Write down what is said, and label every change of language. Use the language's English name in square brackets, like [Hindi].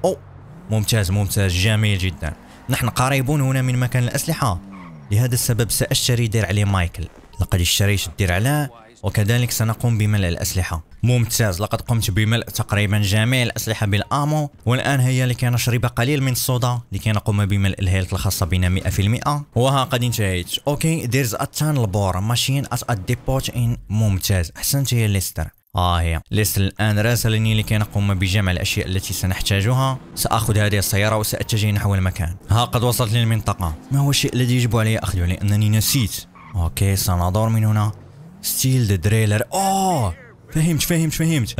[Arabic] أوه ممتاز جميل جدا. نحن قريبون هنا من مكان الأسلحة، لهذا السبب سأشتري درع لمايكل. لقد اشتريت الدرع له، وكذلك سنقوم بملء الأسلحة. ممتاز لقد قمت بملء تقريبا جميع الأسلحة بالآمو، والآن هيا لكي نشرب قليل من الصودا لكي نقوم بملء الهيلث الخاصة بنا 100%. وها قد انتهيت. [English] Okay there's a tunnel bore machine at a depot in. [Arabic] ممتاز أحسنت يا ليستر. هي ليستر الآن راسلني لكي نقوم بجمع الأشياء التي سنحتاجها. سأخذ هذه السيارة وسأتجه نحو المكان. ها قد وصلت للمنطقة. ما هو الشيء الذي يجب علي أخذه لأنني نسيت؟ أوكي سنضور من هنا. [English] Steal the driller. [Arabic] فهمت.